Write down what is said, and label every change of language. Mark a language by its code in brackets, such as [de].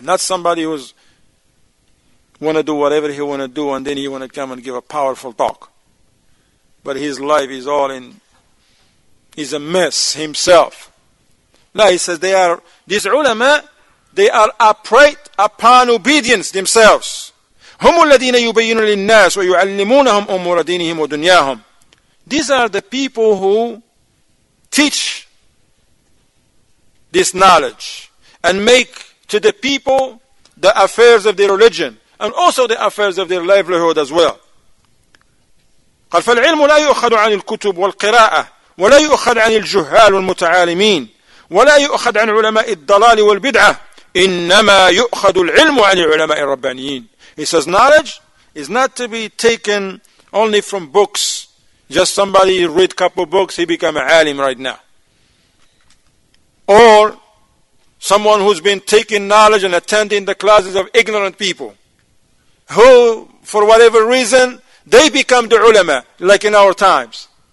[en] Not somebody who's want to do whatever he want to do and then he want to come and give a powerful talk. But his life is all in, he's a mess himself. No, he says, these ulama, they are upright upon obedience themselves. [ar] هم الذين يبينون للناس ويعلمونهم أمور دينهم ودنياهم. [en] These are the people who teach this knowledge and make to the people the affairs of their religion and also the affairs of their livelihood as well. [ar] قال فالعلم لا يؤخذ عن الكتب والقراءة ولا يؤخذ عن الجهال والمتعالمين ولا يؤخذ عن علماء الضلال والبدعة إنما يؤخذ العلم عن العلماء الربانيين. [en] He says, knowledge is not to be taken only from books. Just somebody read a couple of books, he become an alim right now. Or someone who's been taking knowledge and attending the classes of ignorant people, who, for whatever reason, they become the ulama, like in our times.